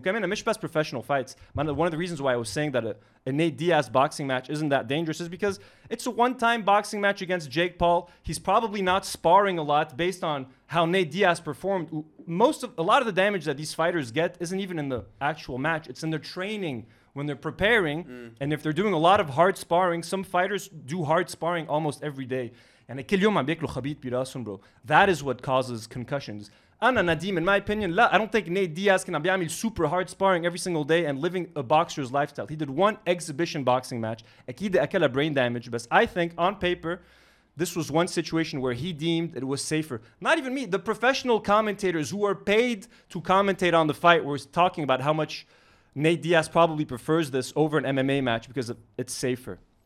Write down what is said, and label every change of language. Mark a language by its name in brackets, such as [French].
[English] Kamena, mish best professional fights. One of the reasons why I was saying that a Nate Diaz boxing match isn't that dangerous is because it's a one-time boxing match against Jake Paul. He's probably not sparring a lot based on how Nate Diaz performed. A lot of the damage that these fighters get isn't even in the actual match. It's in their training. When they're preparing, and if they're doing a lot of hard sparring, some fighters do hard sparring almost every day. [Arabic] And كل يوم عم بياكلوا خبيط براسهم, bro. [English] That is what causes concussions. أنا Nadim, in my opinion, لا, I don't think Nate Diaz can بيعمل super hard sparring every single day and living a boxer's lifestyle. He did one exhibition boxing match. [Arabic] أكيد أكل [English] brain damage, but I think on paper, this was one situation where he deemed it was safer. Not even me, the professional commentators who are paid to commentate on the fight were talking about how much Nate Diaz probably prefers this over an MMA match because it's safer.